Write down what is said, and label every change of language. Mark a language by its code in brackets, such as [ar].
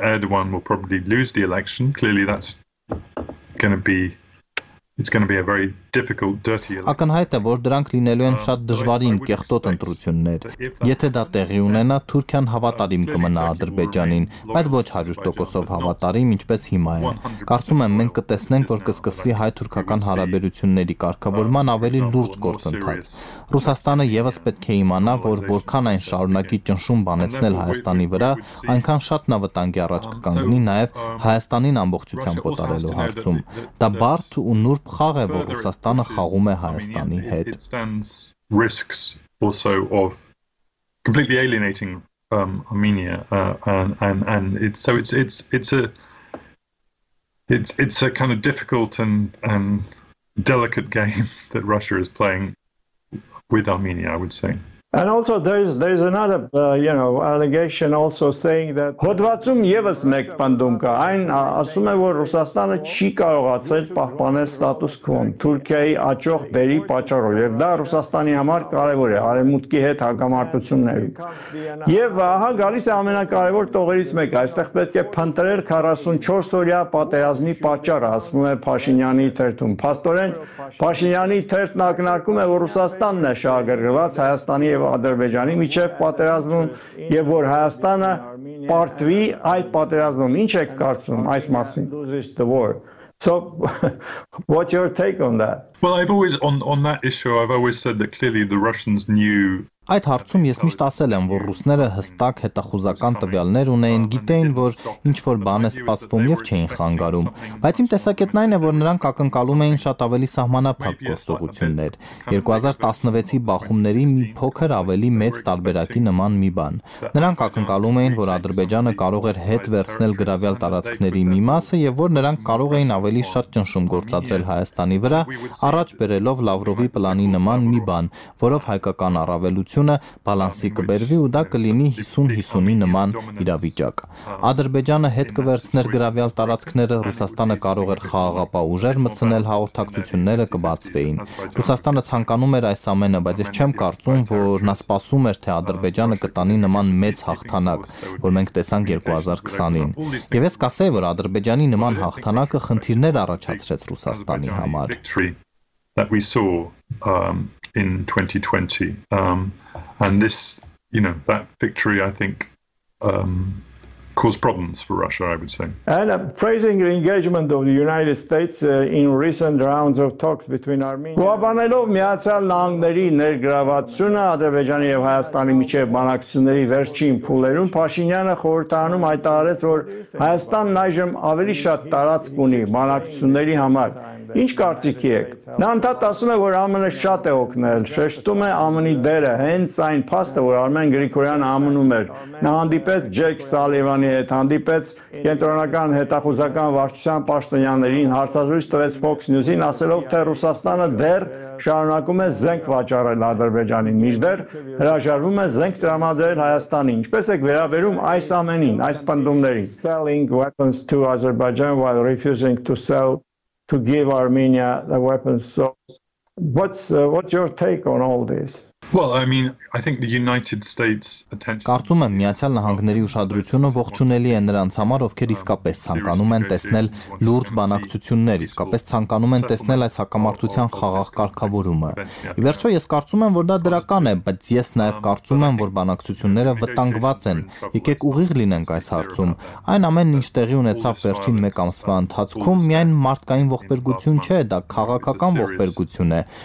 [en] Erdogan will probably lose the election. Clearly that's going to be it's going to be a very difficult dirty election. [hy] Ակնհայտ է, որ դրանք լինելու են շատ դժվարին կեղտոտ ընտրություններ։ Եթե դա տեղի ունենա, Թուրքիան հավատարիմ կմնա Ադրբեջանին, բայց ոչ 100%-ով հավատարիմ, ինչպես հիմա է։ Կարծում եմ մենք կտեսնենք, որ կսկսվի հայ-թուրքական հարաբերությունների կարգավորման ավելի լուրջ գործընթաց։ Ռուսաստանը եւս պետք է իմանա, որ որքան այն շարունակի ճնշում բանեցնել Հայաստանի վրա, այնքան շատ նա վտանգի առաջ կկանգնի նաեւ Հայաստանին ամբողջությամբ օտարելու հարցում։ Դա բարդ ու նուրբ խաղ է, որ Ռուսաստանը խաղում է Հայաստանի հետ։ [en] Risks also of completely alienating Armenia and it's so it's a kind of difficult and delicate game that Russia is playing with Armenia, I would say. And also there is another allegation also saying that [hy] Հոդվածում եւս մեկ պնդում կա, այն ասում է, որ Ռուսաստանը չի կարողացել պահպանել ստատուս քվոն Թուրքիայի աջող դերի պատճառով, եւ դա Ռուսաստանի համար կարեւոր է արեմուտքի հետ հակամարտություններում։ Եվ ահա գալիս է ամենակարևոր տողերից մեկը, այստեղ պետք է փնտրել 44 օրյա պատերազմի պատճառը, ասվում է Փաշինյանի թերթում։ Փաստորեն Փաշինյանի թերթն ակնարկում է, որ Ռուսաստանն է շահագրգռված Հայաստանի և Ադրբեջանի միջև պատերազմում եւ որ Հայաստանը պարտվի այդ պատերազմում։ Ինչ եք կարծում այս մասին? [en] So what's your take on that? Well, I've always on that issue, I've always said that clearly the Russians knew. [hy] Այդ հարցում ես միշտ ասել եմ, որ ռուսները հստակ հետախուզական տվյալներ ունեին, գիտեին, որ ինչ-որ բան է սպասվում և չէին խանգարում, բայց իմ տեսակետն այն է, որ նրանք ակնկալում էին շատ ավելի սահմանափակ գործողություններ, 2016-ի բախումների մի փոքր ավելի մեծ տարբերակի նման մի բան, նրանք ակնկալում էին, որ Ադրբեջանը կարող էր հետ վերցնել գրավյալ տարածքների մի մասը և որ նրանք կարող էին ավելի շատ ճնշում գործադրել Հայաստանի վրա, առաջ բերելով Լավրովի պլանի նման մի բան, որով հայկական առավելություն բալանսի կբերվի ու դա կլինի 50-50-ի նման իրավիճակ։ Ադրբեջանը հետ կվերցներ գրավյալ տարածքները, Ռուսաստանը կարող էր խաղաղապահ ուժեր մտցնել, հաղորդակցությունները կբացվեին։ Ռուսաստանը ցանկանում էր այս ամենը, բայց ես չեմ կարծում, որ նա սպասում էր, թե Ադրբեջանը կտանի նման մեծ հաղթանակ, որ մենք տեսանք 2020-ին։ Եվ ես կասեի, որ Ադրբեջանի նման հաղթանակը խնդիրներ առաջացրեց Ռուսաստանի համար։ [en] In 2020, and this, you know, that victory, I think, caused problems for Russia, I would say. And praising the engagement of the United States in recent rounds of talks between Armenia. [hy] Գուաբանելով միացյալ նահանգների ներգրավվածությունը Ադրբեջանի և Հայաստանի միջև բանակցությունների վերջին փուլերում, Փաշինյանը խորհրդանում հայտարարեց, որ Հայաստանն այժմ ավելի շատ տարածք ունի բանակցությունների համար. Ինչ կարծիքի եք? Նա ընդհանրապես ասում է, որ ԱՄՆ-ը շատ է օգնել, շեշտում է ԱՄՆ-ի դերը, հենց այն փաստը, որ Արմեն Գրիգորյանը ԱՄՆ-ում էր, նա հանդիպեց Ջեք Սալիվանի հետ, հանդիպեց կենտրոնական հետախուզական վարչության պաշտոնյաներին, հարցազրույց տվեց Fox News-ին, ասելով, թե Ռուսաստանը դեռ շարունակում է զենք վաճառել Ադրբեջանին, միջդեռ հրաժարվում է զենք տրամադրել Հայաստանին։ Ինչպես եք վերաբերում այս ամենին, այս պնդումներին? [en] Selling weapons to Azerbaijan while refusing to sell to give Armenia the weapons. So what's your take on all this? Well, I mean, I think the United States attention. [hy] Կարծում եմ Միացյալ Նահանգների ուշադրությունը ողջունելի է նրանց համար, ովքեր իսկապես ցանկանում են տեսնել լուրջ բանակցություններ, իսկապես ցանկանում են տեսնել այս հակամարտության խաղաղ կարգավորումը։ Ի վերջո ես կարծում եմ, որ դա դրական է, բայց ես նաև կարծում եմ, որ բանակցությունները վտանգված են։ Եկեք ուղիղ լինենք այս հարցում։ Այն ամենն, ինչ տեղի ունեցավ վերջին մեկ ամսվա ընթացքում, միայն մարդկային ողբերգություն չէ, դա քաղաքական ողբերգություն է,